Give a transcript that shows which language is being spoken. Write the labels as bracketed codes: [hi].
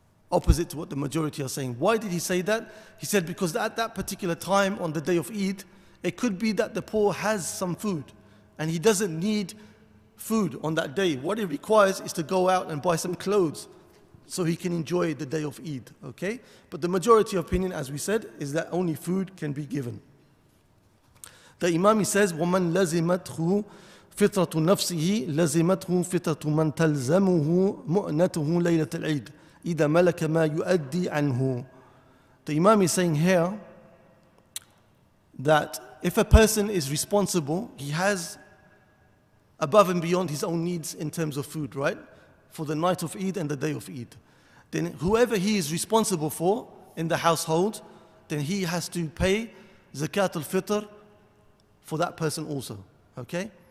[en] Opposite to what the majority are saying. Why did he say that? He said, because at that particular time, on the day of Eid, it could be that the poor has some food, and he doesn't need food on that day. What he requires is to go out and buy some clothes, so he can enjoy the day of Eid, okay? But the majority opinion, as we said, is that only food can be given. The Imam says, [ar] وَمَنْ لَزِمَتْهُ فِطْرَةُ نَفْسِهِ لَزِمَتْهُ فِطْرَةُ مَنْ تَلْزَمُهُ مُؤْنَتُهُ لَيْلَةَ الْعِيدِ إِذَا مَلَكَ مَا يُؤَدِّي عَنْهُ. [en] The Imam is saying here that if a person is responsible, he has above and beyond his own needs in terms of food, right? For the night of Eid and the day of Eid. Then whoever he is responsible for in the household, then he has to pay Zakat al-Fitr for that person also. Okay?